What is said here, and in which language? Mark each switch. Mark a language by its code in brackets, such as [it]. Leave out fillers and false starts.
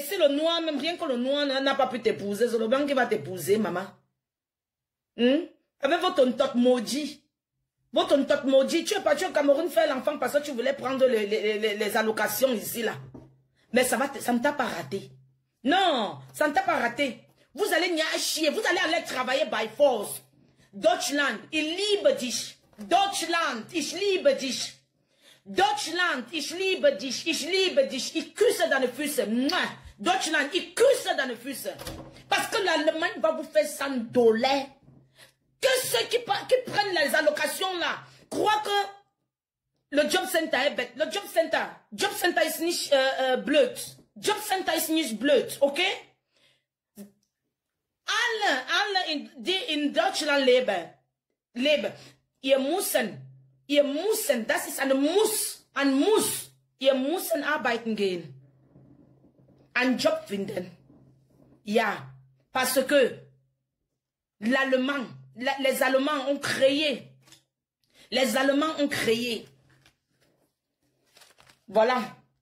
[fr] C'est le noir, même rien que le noir n'a pas pu t'épouser. C'est le blanc qui va t'épouser, maman. Hmm? Avec votre tot maudit. Votre tot maudit. Tu es parti au Cameroun faire l'enfant parce que tu voulais prendre les allocations ici, là. Mais ça ne t'a pas raté. Non, ça ne t'a pas raté. Vous allez n'y aller chier. Vous allez aller travailler [en] by force. [de] Deutschland, ich liebe dich. Deutschland, ich liebe dich. Deutschland, ich liebe dich. Ich liebe dich. Ich küsse deine Füße. Mouah. Deutschland, ich küsse deine Füße. [fr] Parce que l'Allemagne va vous faire 100 dollars. Que ceux qui prennent les allocations là croient que le Job Center est bête. Le Job Center. [de] Job Center ist nicht bleu. Job Center is nicht blöd, ok? Alle in Deutschland leben. Ihr müssen, das ist ein Muss, ihr müssen arbeiten gehen. Ein Job finden. [fr] Ja, parce que les Allemands ont créé. Voilà.